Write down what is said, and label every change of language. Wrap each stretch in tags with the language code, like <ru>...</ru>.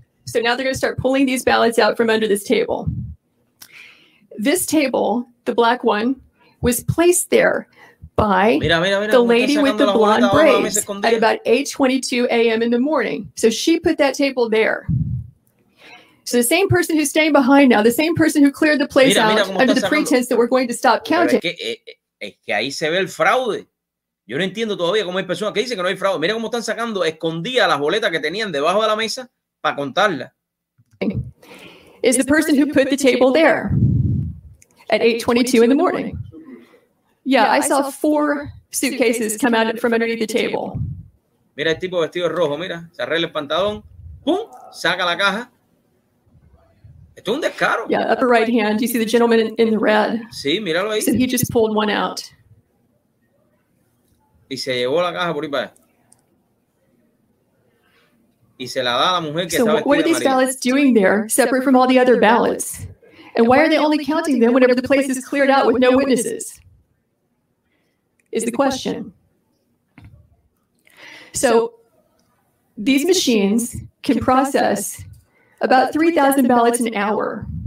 <en>So now they're going to start pulling these ballots out from under this table. This table, the black one, was placed there by the lady with the blonde braids at about 8:22 a.m. in the morning. So she put that table there. So the same person who's staying behind now, the same person who cleared the place</en> <es>mira,</es> <en>out</en> <es>mira</es> <en>under the pretense that we're going to stop counting.</en> <es>Es que ahí se ve el fraude. Yo no entiendo todavía cómo hay personas que dicen que no hay fraude. Mira cómo están sacando escondidas las boletas que tenían debajo de la mesa para contarlas.</es> <en>Is the person who put the table there at 8:22 in the morning? Yeah, I saw four suitcases come out from underneath the table.</en> <es>Mira el tipo vestido rojo, mira. Se arregla el pantalón. ¡Pum! Saca la caja.</es> <en>Yeah, upper right hand, you see the gentleman in the red.</en> <es>Sí, míralo ahí.</es> <en>So he just pulled one out.</en> <es>Y se llevó la caja por ahí para allá. Y se la da a la mujer que</es> <en>so</en> <es>estaba</es> <en>what are these ballots doing there, separate from all the other ballots? And why are they only counting them whenever the place is cleared out with no witnesses? Is the question. So these machines can process about 3,000 ballots an hour.</en>